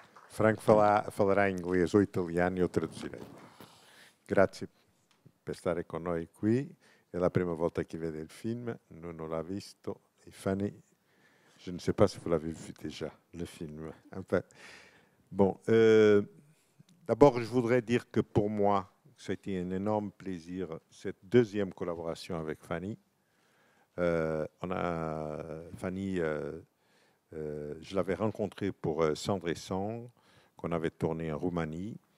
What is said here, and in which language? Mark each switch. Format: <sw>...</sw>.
<pt>Franco falará inglês ou italiano e eu traduzirei.</pt> <it>Grazie per stare con noi qui. È la prima volta che vede il film. Non l'ha visto.</it> <fr>E Fanny, je ne sais pas si vous l'avez vu déjà, le film. Enfin, bon, d'abord, je voudrais dire que pour moi, c'était un énorme plaisir, cette deuxième collaboration avec Fanny. Fanny, je l'avais rencontrée pour Cendre et Sang, qu'on avait tourné en Roumanie.</fr>